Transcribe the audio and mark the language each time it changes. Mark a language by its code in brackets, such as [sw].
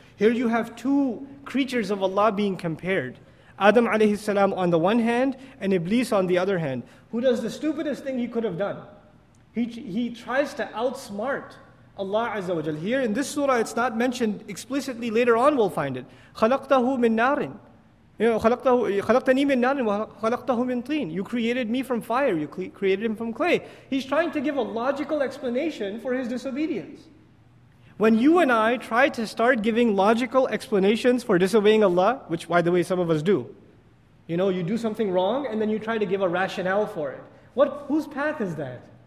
[en] Here you have two creatures of Allah being compared. Adam alayhi salam on the one hand, and Iblis on the other hand. Who does the stupidest thing he could have done? He tries to outsmart Allah Azza wa Jal. Here in this surah, it's not mentioned explicitly. Later on, we'll find it. [ar] خَلَقْتَهُ مِن نَارٍ. [en] You know, [ar] خَلَقْتَنِي مِن نَارٍ وَخَلَقْتَهُ مِن طِينٍ. [en] You created me from fire. You created him from clay. He's trying to give a logical explanation for his disobedience. When you and I try to start giving logical explanations for disobeying Allah, which, by the way, some of us do, you know, you do something wrong and then you try to give a rationale for it. Whose path is that?